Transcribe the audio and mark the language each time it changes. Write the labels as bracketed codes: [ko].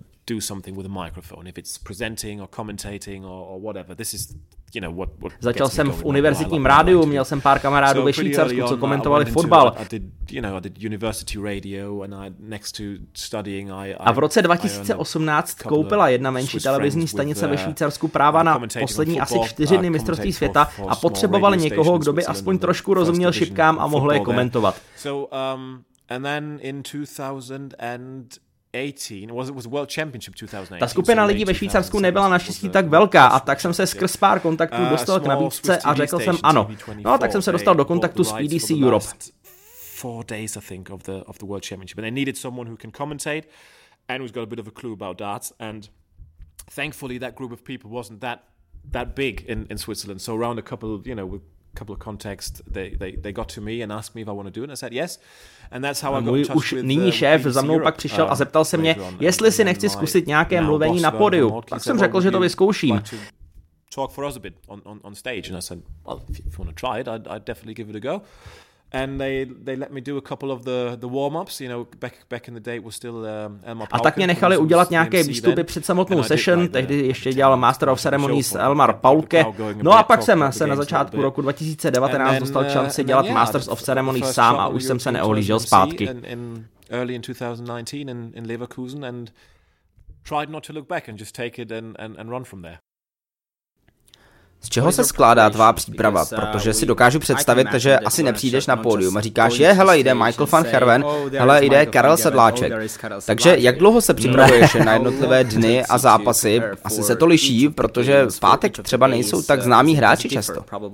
[en] Do something with a microphone, if it's presenting or commentating or whatever. This is, you know, what. [cs] Začal jsem v univerzitním rádiu, měl jsem pár kamarádů ve Švýcarsku, co komentovali fotbal. [en] I did university radio and I next to studying I. [cs] A v roce 2018 koupila jedna menší televizní stanice ve Švýcarsku práva na poslední asi 4 dny mistrovství světa a potřebovali někoho, kdo by aspoň trošku rozuměl šipkám a mohl je komentovat. [en] So and then in 2018 was World Championship 2018. [cs] Ta skupina lidí ve Švýcarsku nebyla naštěstí tak velká a tak jsem se skrz pár kontaktů dostal k nabídce a řekl jsem ano. No a tak jsem se dostal do kontaktu s PDC Europe. [en] 4 days I think of the World Championship and they needed someone who can commentate and who's got a bit of a clue about darts and thankfully that group of people wasn't that big in Switzerland. So around a couple, you know, with couple of context they got to me and asked me if I want to do it and I said yes and that's how I got touched [cs] with nyní šéf za mnou pak přišel a zeptal se mě, jestli si nechci zkusit nějaké mluvení na pódiu. Tak jsem řekl, že to vyzkouším. [en] Talk for us a bit on stage and I said, well, if you want to try it, I'd definitely give it a go. And they let me do a couple of the warm-ups, you know, back in the day was still Elmar Pauker. [cs] A tak mě nechali udělat nějaké výstupy před samotnou session, tehdy ještě dělal Master of Ceremonies Elmar Pauker. No a pak jsem se na začátku roku 2019 dostal šanci dělat Masters of Ceremonies sám a už jsem se neohlížel zpátky. [en] Early in 2019 in Leverkusen and tried not to look back and just take it and run from there. [cs] Z čeho se skládá tvá příprava? Protože si dokážu představit, že asi nepřijdeš na pódium a říkáš, je, hele, jde Michael van Gerwen, hele, jde Karel Sedláček. Takže jak dlouho se připravuješ na jednotlivé dny a zápasy? Asi se to liší, protože v pátek třeba nejsou tak známí hráči často.